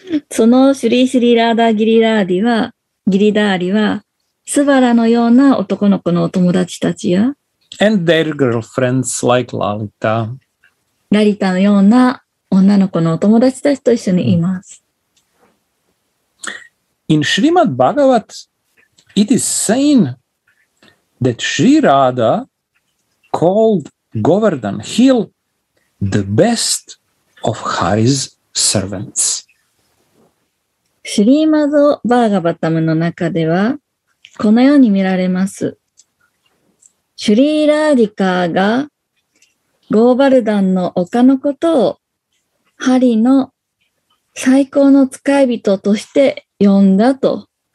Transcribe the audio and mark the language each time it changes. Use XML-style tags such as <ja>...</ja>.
<ja>そのシュリーシュリーラーダーギリダーリは、ギリダーリは、スバラのような男の子のお友達たちや、</ja> <en>And their girlfriends like Lalita.</en> <ja>ラリタのような女の子のお友達たちと一緒にいます。</ja> <en>In Srimad Bhagavat, it is saying that Sri Radha called Govardhan Hill the best of Hari's servants.</en> <ja>シリーマドバーガバタムの中では、このように見られます。シュリーラーディカーがゴーバルダンの丘のことをハリの最高の使い人として呼んだと。</ja>